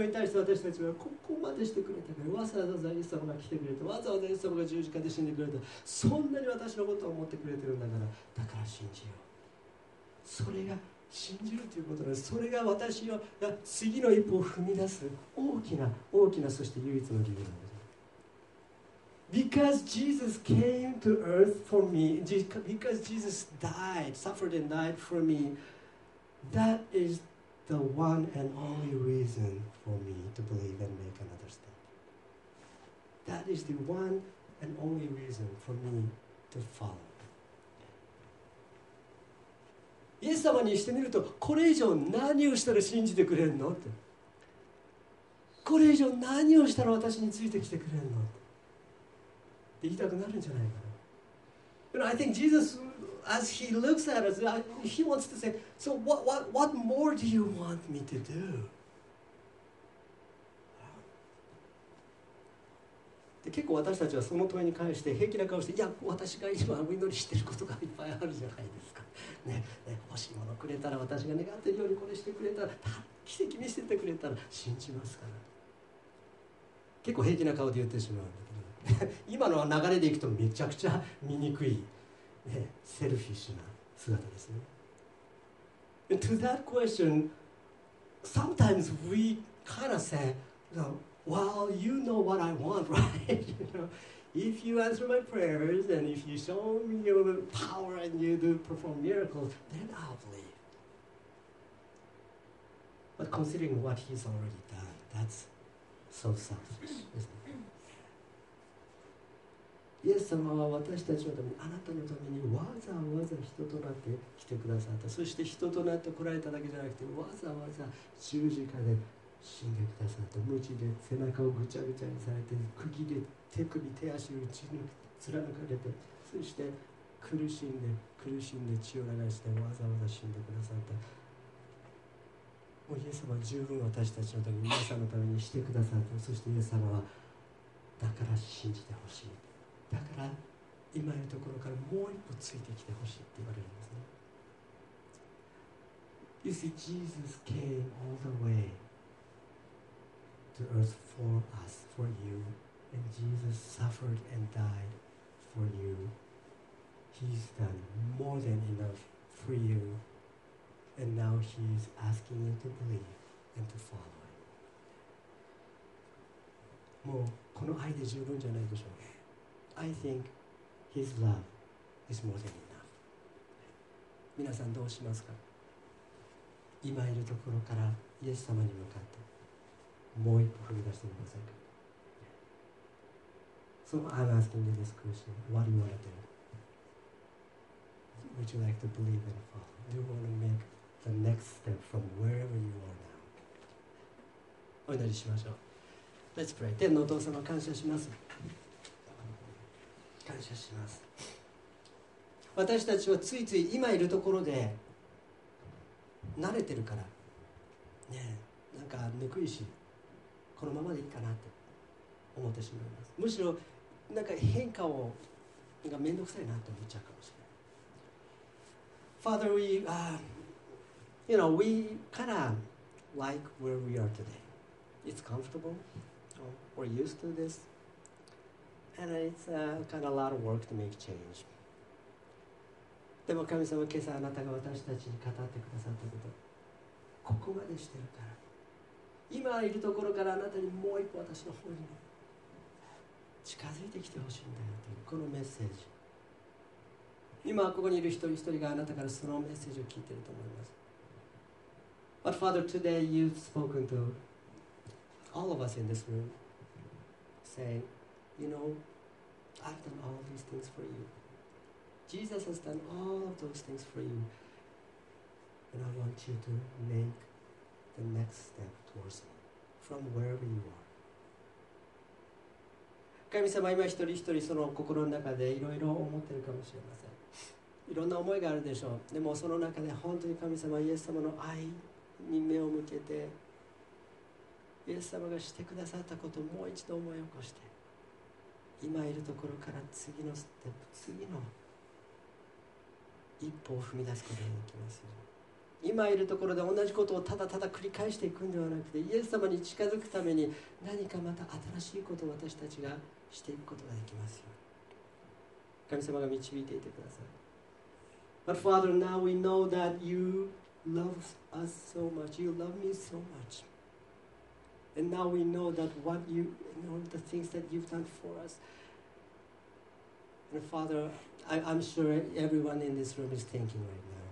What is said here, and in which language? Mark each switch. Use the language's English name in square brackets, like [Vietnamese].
[Japanese] それに対して私たちはここまでしてくれたから、わざわざイエス様が来てくれて、わざわざイエス様が十字架で死んでくれた、そんなに私のことを思ってくれてるんだから、だから信じよう。それが信じるということなんです。それが私の次の一歩を踏み出す大きな大きな、そして唯一の理由なんです。 [English] Because Jesus came to earth for me, because Jesus died, suffered and died for me, that is the one and only reason for me to believe and make another step. That is the one and only reason for me to follow. [Japanese] イエス様にしてみると、これ以上何をしたら信じてくれるのって、これ以上何をしたら私についてきてくれるのって言いたくなるんじゃないかな。 [English] You know, I think Jesus, as he looks at us, he wants to say, so what more do you want me to do? [Japanese] で結構私たちはその問いに関して平気な顔して、いや私が今お祈りしていることがいっぱいあるじゃないですか、ねね、欲しいものくれたら、私が願っているようにこれしてくれたら、奇跡見せてくれたら信じますから、結構平気な顔で言ってしまうんだけど、今の流れでいくとめちゃくちゃ醜い、ね、セルフィッシュな姿ですね。 [English] And to that question, sometimes we kind of say,Well, you know what I want, right? You know, if you answer my prayers and if you show me your power and you do perform miracles, then I'll believe. But considering what he's already done, that's so selfish, isn't it? [Japanese] イエス様は私たちのために、あなたのためにわざわざ人となって来てくださった。そして人となって来られただけじゃなくて、わざわざ十字架で死んでくださった。無知で背中をぐちゃぐちゃにされて、釘で手首手足を打ち抜く貫かれて、そして苦しんで苦しんで血を流してわざわざ死んでくださった。もうイエス様は十分私たちのために皆さんのためにしてくださった。そしてイエス様はだから信じてほしい、だから今いるところからもう一歩ついてきてほしいって言われるんですね。 [English] You see, Jesus came all the wayTo earth for us, for you, and Jesus suffered and died for you. He's done more than enough for you, and now He's asking you to believe and to follow Him. [Japanese] もうこの愛で十分じゃないでしょうか。 [English] I think His love is more than enough. [Japanese] 皆さんどうしますか。今いるところからイエス様に向かって。もう一歩踏み出してみませんか。 [English] So I'm asking you this question. What do you want to do? Would you like to believe and follow? Do you want to make the next step from wherever you are now? [Japanese] お祈りしましょう。 [English] Let's pray. [Japanese] 天のお父様、感謝します。感謝します。私たちはついつい今いるところで慣れてるからね、なんかぬくいしこのままでいいかなって思ってしまいます。むしろなんか変化をなんか面倒くさいなって思っちゃうかもしれない。 [English] Father, we you know, we kind of like where we are today. It's comfortable, we're used to this, and it's kind of a lot of work to make change. [Japanese] でも神様、今朝あなたが私たちに語ってくださったこと、ここまでしてるから、今いるところからあなたにもう一歩私の方に近づいてきてほしいんだよというこのメッセージ、今ここにいる一人一人があなたからそのメッセージを聞いていると思います。 [English] But Father, today you've spoken to all of us in this room saying, you know, I've done all these things for you. Jesus has done all of those things for you. And I want you to make the next step. From wherever you are. [Japanese] 神様、今一人一人その心の中でいろいろ思ってるかもしれません。いろんな思いがあるでしょう。でもその中で本当に神様、イエス様の愛に目を向けて、イエス様がしてくださったことをもう一度思い起こして、今いるところから次のステップ、次の一歩を踏み出すことができますよ。今いるところで同じことをただただ繰り返していくんではなくて、イエス様に近づくために何かまた新しいことを私たちがしていくことができますよ。神様が導いていてください。 [English] But Father, now we know that you love us so much, you love me so much, and now we know that what you, you know, the things that you've done for us. And Father, I'm sure everyone in this room is thinking right now.